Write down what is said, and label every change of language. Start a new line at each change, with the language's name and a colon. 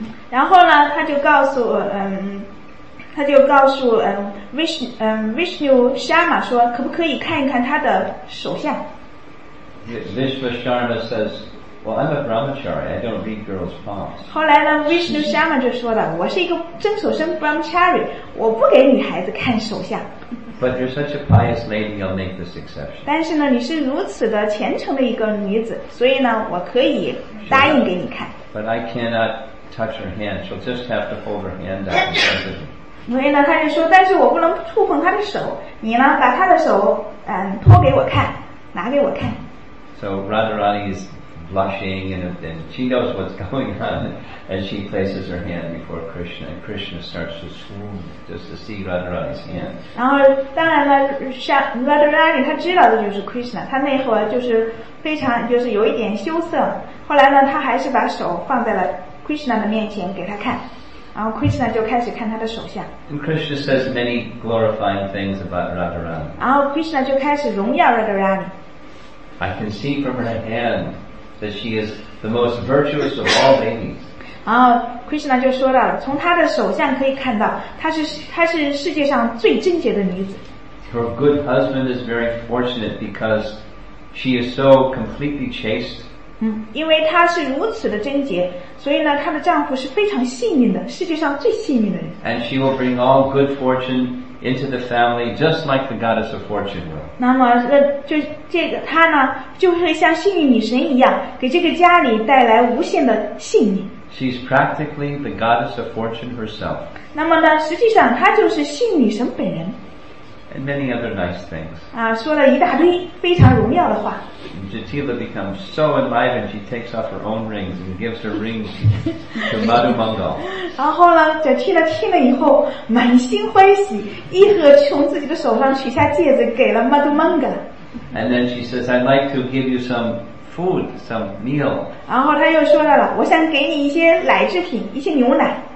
Chinese: 然后呢，他就告诉他就告诉Vishnu Sharma 说，可不可以看一看他的手相
English: ？Vishva Sharma says, "Well, I'm a brahmachari. I don't read girls' palms."
Chinese: 后来呢 ，Vishnu Sharma 就说了，我是一个正所生 brahmachari， 我不给女孩子看手相。
English: But you're such a pious lady, I'll make this exception.
Chinese: 但是呢，你是如此的虔诚的一个女子，所以呢，我可以答应给你看。
English: But I cannot touch her hand. She'll just have to hold her hand up in front of me.
Chinese: 所以呢，他就说，但是我不能触碰他的手，你呢，把他的手，托给我看，拿给我看。
English: So Radharani is blushing and she knows what's going on, and she places her hand before Krishna, and Krishna starts to swoon just to see Radharani's hand.
Chinese: 然后，当然了 ，Radharani 他知道的就是 Krishna， 他那会儿就是非常就是有一点羞涩。后来呢，他还是把手放在了 Krishna 的面前给他看。然后 Krishna 就开始看他的手相。
English: And Krishna says many glorifying things about Radharani.
Chinese: 然后 Krishna 就开始荣耀 Radharani.
English: I can see from her hand that she is the most virtuous of all ladies.
Chinese: 然后 Krishna 就说了，从她的手相可以看到，她是世界上最贞洁的女子。
English: Her good husband is very fortunate because she is so completely chaste.
Chinese: 因为她是如此的贞洁，所以呢，她的丈夫是非常幸运的，世界上最幸运的人。
English: And she will bring all good fortune into the family, just like the goddess of fortune will.
Chinese: 那么，她呢，就会像幸运女神一样，给这个家里带来无限的幸运。
English: She's practically the goddess of fortune herself.
Chinese: 那么呢，实际上她就是幸运女神本人。
English: And many other nice things.
Chinese: 啊，说了一大堆非常荣耀的话。
English: Jatila becomes so enlivened, she takes off her own rings and gives her rings to Madhu Mangal.
Chinese: 然后呢 ，Jatila 听了以后，满心欢喜，一和从自己的手上取下戒指，给了 Madhu Mangal.
English: And then she says, "I'd like to give you some food, some meal."
Chinese: 然后他又说到了，我想给你一些奶制品，一些牛奶。